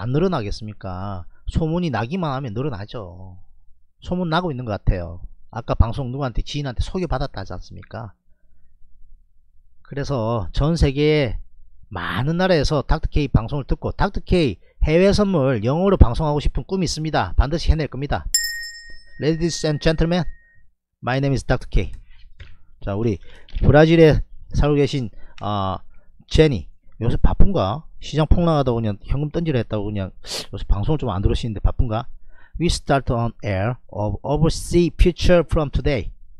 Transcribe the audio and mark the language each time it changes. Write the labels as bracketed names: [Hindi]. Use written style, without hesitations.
[Korean] 안 늘어나겠습니까? 소문이 나기만 하면 늘어나죠. 소문 나고 있는 것 같아요. 아까 방송 누구한테 지인한테 소개받았다 하지 않습니까? 그래서 전 세계에 많은 나라에서 닥터케이 방송을 듣고 닥터케이 해외 선물 영어로 방송하고 싶은 꿈이 있습니다. 반드시 해낼 겁니다. [English] Ladies and gentlemen, my name is Dr. K. [Korean] 자, 우리 브라질에 살고 계신 제니 요새 바쁜가? 시장 폭락하다고 그냥 현금 던지려 했다고 그냥 요새 방송을 좀 안 들으시는데 바쁜가? [English] We start on air of overseas future from today.